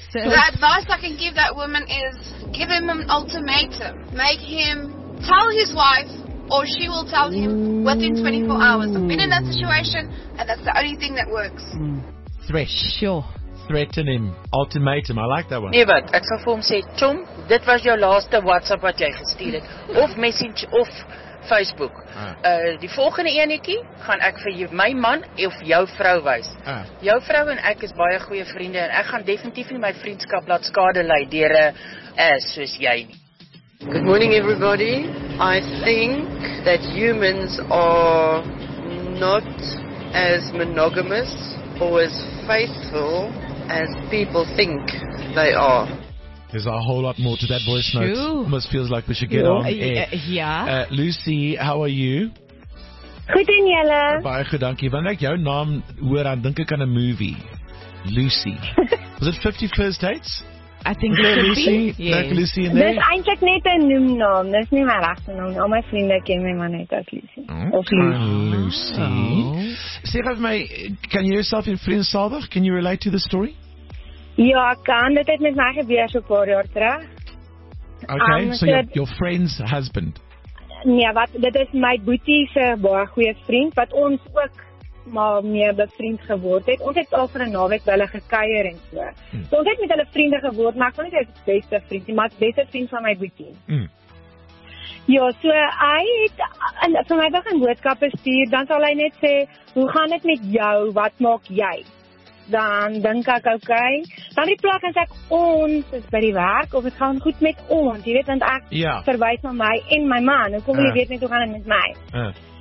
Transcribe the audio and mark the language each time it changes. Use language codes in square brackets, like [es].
[en] The advice I can give that woman is, give him an ultimatum. Make him tell his wife, or she will tell him within 24 hours. I've been in that situation, and that's the only thing that works. Threat. Sure. Threaten him. Ultimatum. I like that one. [af] Nee, wat? Ek sal vir hom sê, Tom, dit was jou laaste WhatsApp wat jy gestuur het. Of message, of Facebook. Die volgende enetjie gaan ek vir my man of jou vrou wys. Jou vrou en ek is baie goeie vriende, en ek gaan definitief nie my vriendskap laat skade lei deur 'n soos jy nie. [en] Good morning, everybody. I think that humans are not as monogamous or as faithful as people think they are. There's a whole lot more to that voice note. Almost feels like we should get on air. Yeah. Lucy, how are you? [af] Goed en julle. Baie goed, dankie. Wanneer ek jou naam hoor, dan dink ek aan 'n movie. [en] Lucy. Was it 50 First Dates? I think it should Lucy, be. Yeah. Lucy in [af] there. Dis eintlik net 'n noemnaam. Dis nie my regte naam nie. Al my vriende ken my maar net as Lucy. [en] Lucy. [af] Sê vir my, [en] can you yourself in Vriendsalwig? Can you relate to the story? [af] Ja, kan. Dit het met my gebeur so 'n paar jaar terug. [en] Okay, so your friend's husband. [af] Nee, wat? Dit is my boetie se baie goeie vriend wat ons ook maar meer bevriend geword het. Ons het al vir 'n naweek by hulle gekuier en so. So ons het met hulle vriende geword, maar ek wil nie sê beste vriend nie, maar beste vriend van my boetie. Ja, so hy het en vir my begin boodskappe stuur, dan sal hy net sê, "Hoe gaan dit met jou? Wat maak jy?" Dan dink ek, "Okay." Dan die plek en sê ek, "Ons is by die werk of dit gaan goed met ons." Jy weet, want ek verwys na my en my man. Hoekom wil jy weet net hoe gaan dit met my?